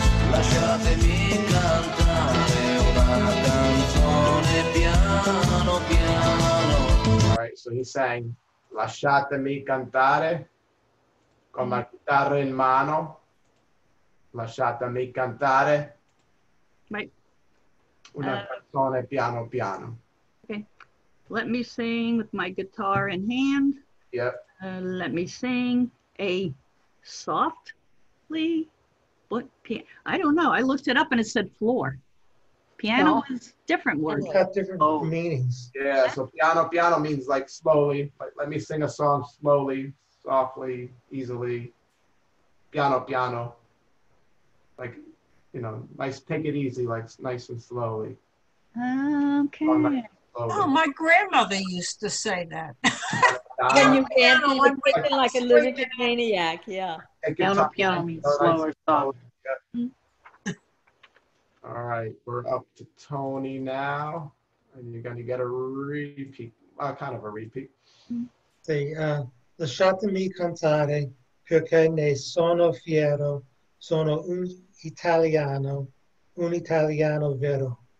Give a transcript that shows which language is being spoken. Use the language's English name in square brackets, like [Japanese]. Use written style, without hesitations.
[Italian] Lasciatemi cantare una canzone piano piano. [English] All right, so he's saying, [Italian] lasciatemi cantare. Con la chitarra in mano, lasciatemi cantare. [English] Right. [Italian] Una canzone piano piano. [English] Okay. Let me sing with my guitar in hand. Yep. Let me sing a softly, but I don't know. I looked it up and it said floor. Piano is different words. It's got different meanings. Yeah. So piano piano means like slowly. Like, let me sing a song slowly. Softly, easily, piano, piano. Like, you know, nice, take it easy, like nice and slowly. Okay. Oh, my grandmother used to say that. Can you piano? I'm waking like a little maniac, yeah. Piano, piano means slower, softly. All right, we're up to Tony now. And you're going to get a repeat, kind of a repeat. [Italian] Lasciatemi cantare perché ne sono fiero, sono un italiano vero.